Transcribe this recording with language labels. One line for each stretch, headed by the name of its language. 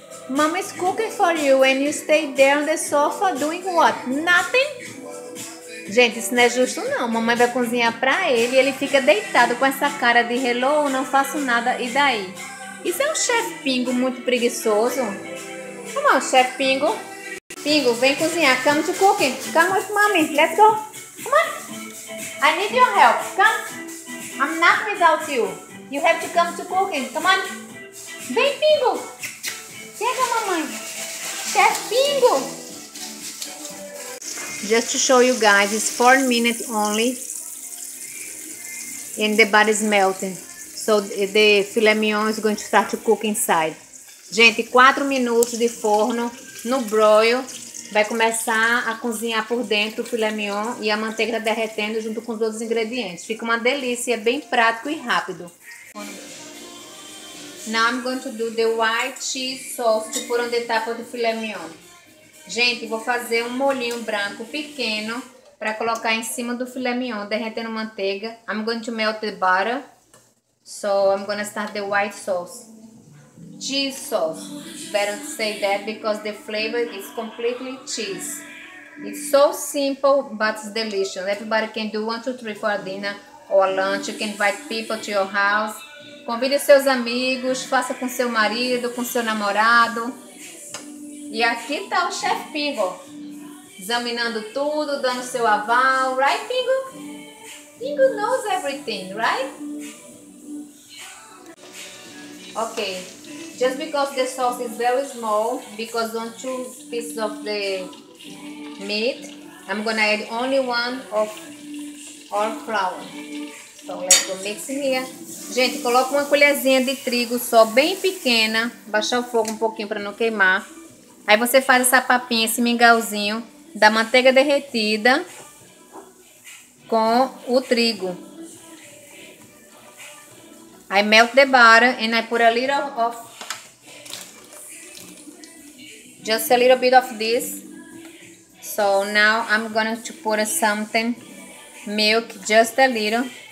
English: Mom is cooking for you and you stay there on the sofa doing what? Nothing?
Portuguese: Gente, isso não é justo não. Mamãe vai cozinhar pra ele e ele fica deitado com essa cara de hello, não faço nada e daí? Isso é um chef Pingo muito preguiçoso.
English: Come on, chef Pingo.
Portuguese: Pingo, vem cozinhar.
English: Come to cooking. Come with mommy. Let's go. Come on. I need your help. Come. I'm not without you. You have to come to cooking. Come on.
Portuguese: Vem, Pingo. Chega, mamãe.
English: Chef Pingo. Just to show you guys, it's 4 minutes only. And the body's melting. So the filet mignon is going to start to cook inside.
Portuguese: Gente, 4 minutos de forno no broil. Vai começar a cozinhar por dentro o filé mignon e a manteiga tá derretendo junto com os outros ingredientes. Fica uma delícia, bem prático e rápido.
English: Now I'm going to do the white cheese sauce to put on the top of the filé mignon.
Portuguese: Gente, vou fazer um molhinho branco pequeno para colocar em cima do filé mignon, derretendo manteiga.
English: I'm going to melt the butter. So I'm going to start the white sauce. Cheese sauce. Better to say that because the flavor is completely cheese. It's so simple, but it's delicious. Everybody can do 1, 2, 3 for a dinner or a lunch. You can invite people to your house.
Portuguese: Convide seus amigos, faça com seu marido, com seu namorado. E aqui tá o chef Pingo. Examinando tudo, dando seu aval.
English: Right, Pingo? Pingo knows everything, right? Okay. Just because the sauce is very small, because on 2 pieces of the meat, I'm gonna add only 1 of our flour. So let's go mix it here.
Portuguese: Gente, coloca uma colherzinha de trigo só, bem pequena. Baixar o fogo um pouquinho pra não queimar. Aí você faz essa papinha, esse mingauzinho da manteiga derretida com o trigo.
English: I melt the butter and I put a little of, just a little bit of this. So now I'm going to put something, milk, just a little.